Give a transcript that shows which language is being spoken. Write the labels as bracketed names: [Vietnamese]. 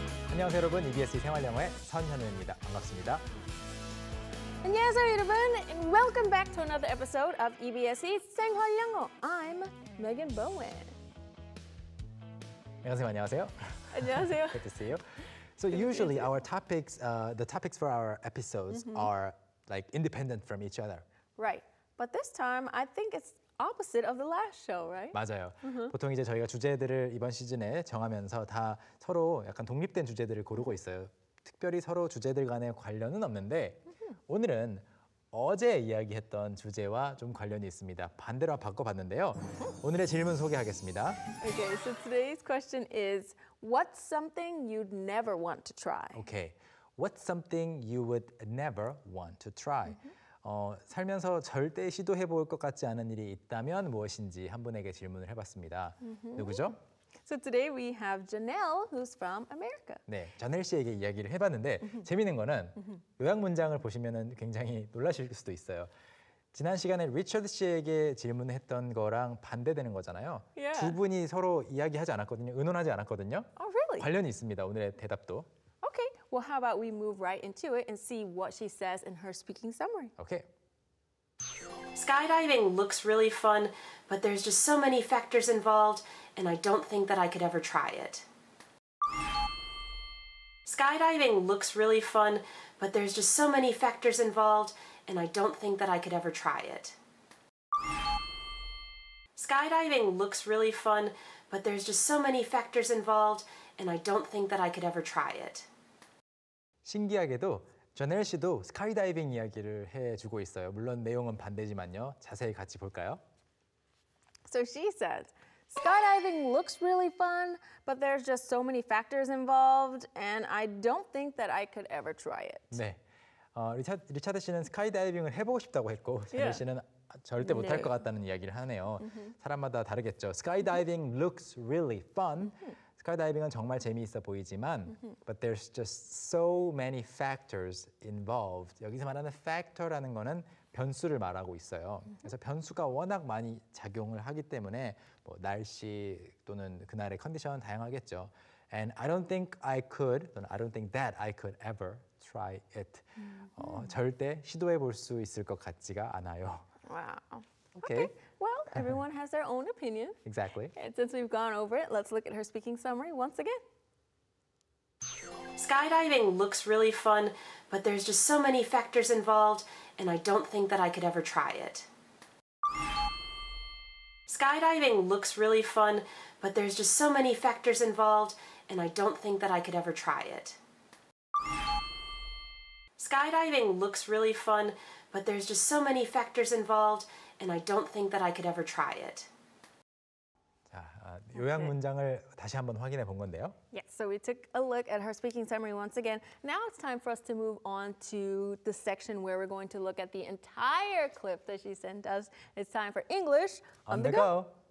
[Korean] 안녕하세요 여러분, EBS 생활영어의 선현우입니다. 반갑습니다. 안녕하세요 여러분, [English] and welcome back to another episode of EBS 생활영어. I'm Megan Bowen. [Korean] 안녕하세요. 안녕하세요. 안녕하세요. [English] Good to see you. So usually our topics, the topics for our episodes mm-hmm. are like independent from each other. Right. But this time, I think it's opposite of the last show, right? [Korean] 맞아요. Mm-hmm. 보통 이제 저희가 주제들을 이번 시즌에 정하면서 다 서로 약간 독립된 주제들을 고르고 있어요. 특별히 서로 주제들 간의 관련은 없는데 mm-hmm. 오늘은 어제 이야기했던 주제와 좀 관련이 있습니다. 반대로 바꿔봤는데요. 오늘의 질문 소개하겠습니다. [English] Okay, so today's question is what's something you'd never want to try? Okay, what's something you would never want to try? Mm-hmm. [Korean] 살면서 절대 시도해 볼 것 같지 않은 일이 있다면 무엇인지 한 분에게 질문을 해봤습니다. Mm-hmm. 누구죠? [English] So today we have Janelle who's from America. [Korean] 네, 자넬 씨에게 이야기를 해봤는데 mm-hmm. 재미있는 거는 mm-hmm. 요약 문장을 보시면은 굉장히 놀라실 수도 있어요. 지난 시간에 리처드 씨에게 질문했던 거랑 반대되는 거잖아요. [English] Yeah. [Korean] 두 분이 서로 이야기하지 않았거든요. 의논하지 않았거든요. [English] Oh, really? [Korean] 관련이 있습니다. 오늘의 대답도. [English] Okay, well, how about we move right into it and see what she says in her speaking summary. Okay. Skydiving looks really fun, but there's just so many factors involved, and I don't think that I could ever try it. Skydiving looks really fun, but there's just so many factors involved, and I don't think that I could ever try it. Skydiving looks really fun, but there's just so many factors involved, and I don't think that I could ever try it. [Korean] 신기하게도 저넬 씨도 스카이다이빙 이야기를 해주고 있어요. 물론 내용은 반대지만요. 자세히 같이 볼까요? [English] So she says, skydiving looks really fun, but there's just so many factors involved, and I don't think that I could ever try it. [Korean] 네. 리차드 씨는 스카이다이빙을 해보고 싶다고 했고, 저넬 씨는 절대 못할 것 같다는 이야기를 하네요. 사람마다 다르겠죠. [English] Skydiving looks really fun. [Korean] 스카이다이빙은 정말 재미있어 보이지만 mm-hmm. [English] but there's just so many factors involved. [Korean] 여기서 말하는 factor라는 거는 변수를 말하고 있어요. Mm-hmm. 그래서 변수가 워낙 많이 작용을 하기 때문에 뭐 날씨 또는 그날의 컨디션 다양하겠죠. [English] And I don't think I could, 또는 I don't think that I could ever try it. Mm-hmm. [Korean] 절대 시도해 볼 수 있을 것 같지가 않아요. [English] Wow. Okay. Well, everyone has their own opinion. Exactly. And since we've gone over it, let's look at her speaking summary once again. Skydiving looks really fun, but there's just so many factors involved, and I don't think that I could ever try it. Skydiving looks really fun, but there's just so many factors involved, and I don't think that I could ever try it. Skydiving looks really fun, but there's just so many factors involved, and I don't think that I could ever try it. [Korean] 자, 요약 문장을 다시 한번 확인해 본 건데요. [English] Yes, so we took a look at her speaking summary once again. Now it's time for us to move on to the section where we're going to look at the entire clip that she sent us. It's time for English on the go.